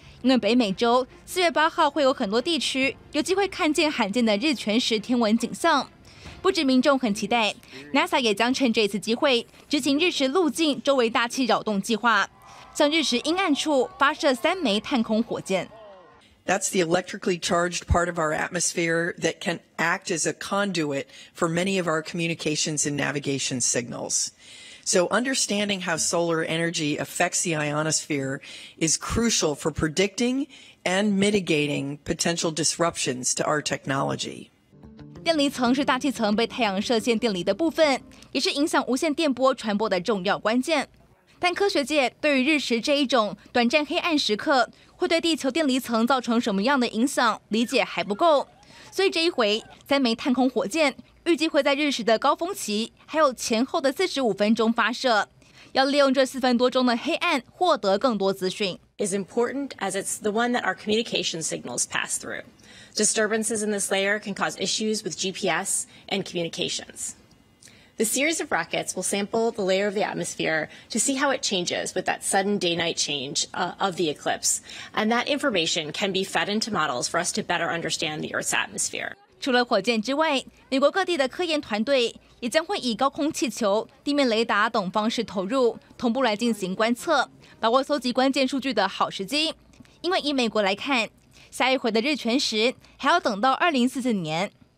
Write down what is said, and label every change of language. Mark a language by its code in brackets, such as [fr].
[zh] 因为北美洲4月8号会有很多地区有机会看见罕见的日全食天文景象，不止民众很期待 ，NASA 也将趁这次机会执行日食路径周围大气扰动计划，向日食阴暗处发射3枚探空火箭。 [en] That's the electrically charged part of our atmosphere that can act as a conduit for many of our communications and navigation signals. So understanding how solar energy affects the ionosphere is crucial for predicting and mitigating potential disruptions to our technology. [zh] 电离层是大气层被太阳射线电离的部分，也是影响无线电波传播的重要关键。但科学界对于日食这一种短暂黑暗时刻会对地球电离层造成什么样的影响理解还不够，所以这一回三枚探空火箭预计会在日食的高峰期还有前后的45分钟发射，要利用这4分多钟的黑暗获得更多资讯。 [en] Is important as it's the one that our communication signals pass through. Disturbances in this layer can cause issues with GPS and communications. The series of rockets will sample the layer of the atmosphere to see how it changes with that sudden day-night change, of the eclipse. And that information can be fed into models for us to better understand the Earth's atmosphere. [zh] 除了火箭之外，美国各地的科研团队也将会以高空气球、地面雷达等方式投入，同步来进行观测，把握搜集关键数据的好时机。因为以美国来看，下一回的日全食还要等到2044年。